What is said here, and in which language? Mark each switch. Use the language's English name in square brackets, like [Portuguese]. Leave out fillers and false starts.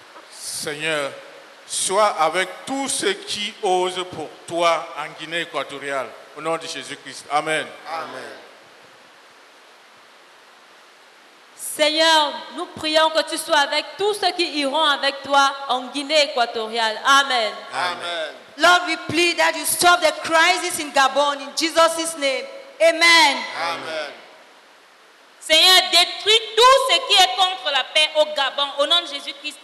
[French] Seigneur, sois avec tous ceux qui osent pour toi en Guinée équatoriale. Au nom de Jésus-Christ. Amen. Amen. Seigneur, nous prions que tu sois avec tous ceux qui iront avec toi en Guinée équatoriale. Amen. Amen. [English] Lord, we plead that you stop the crisis in Gabon in Jesus' name. Amen. Amen. [French] Seigneur, détruis tout ce qui est contre la paix au Gabon au nom de Jésus-Christ.